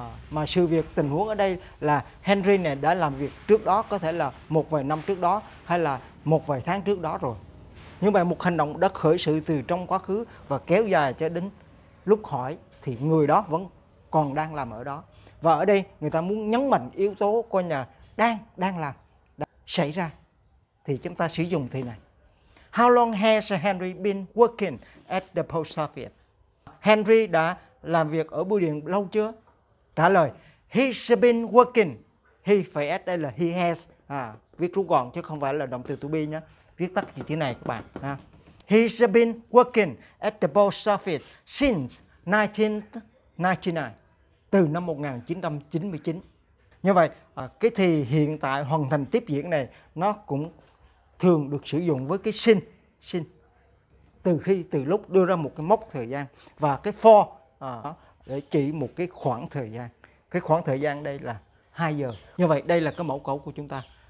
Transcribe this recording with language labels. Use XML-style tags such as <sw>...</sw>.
<vi>Mà sự việc tình huống ở đây là Henry này đã làm việc trước đó, có thể là một vài năm trước đó hay là một vài tháng trước đó rồi. Nhưng mà một hành động đã khởi sự từ trong quá khứ và kéo dài cho đến lúc hỏi thì người đó vẫn còn đang làm ở đó. Và ở đây người ta muốn nhấn mạnh yếu tố coi nhà đang làm, đã xảy ra. Thì chúng ta sử dụng thì này.</vi> <en>How long has Henry been working at the post office?</en> <vi>Henry đã làm việc ở bưu điện lâu chưa? Trả lời,</vi> <en>he's been working.</en> <vi>He phải add đây là</vi> <en>he has.</en> <vi>Viết rút gọn chứ không phải là động từ to be nhé. Viết tắt chỉ thế này các bạn.</vi> <en>He's been working at the post office since 1999.</en> <vi>Từ năm 1999. Như vậy, cái thì hiện tại hoàn thành tiếp diễn này nó cũng thường được sử dụng với cái since. Từ khi, từ lúc đưa ra một cái mốc thời gian. Và cái for để chỉ một cái khoảng thời gian. Cái khoảng thời gian đây là 2 giờ. Như vậy, đây là cái mẫu câu của chúng ta.</vi>